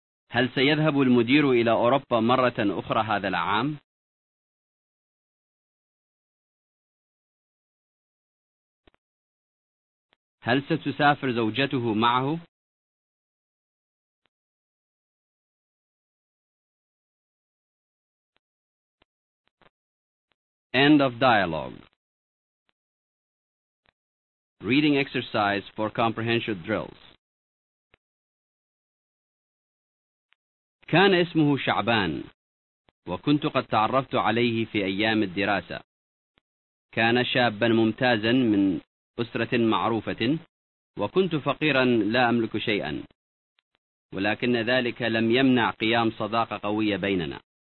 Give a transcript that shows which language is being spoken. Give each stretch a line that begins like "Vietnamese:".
Arabic: هل سيذهب المدير إلى أوروبا مرة أخرى هذا العام؟ هل ستسافر زوجته معه؟
English: End of dialogue. Reading exercise for comprehension drills.
Arabic: كان اسمه شعبان، وكنت قد تعرفت عليه في أيام الدراسة. كان شابا ممتازا من أسرة معروفة، وكنت فقيرا لا أملك شيئا، ولكن ذلك لم يمنع قيام صداقة قوية بيننا.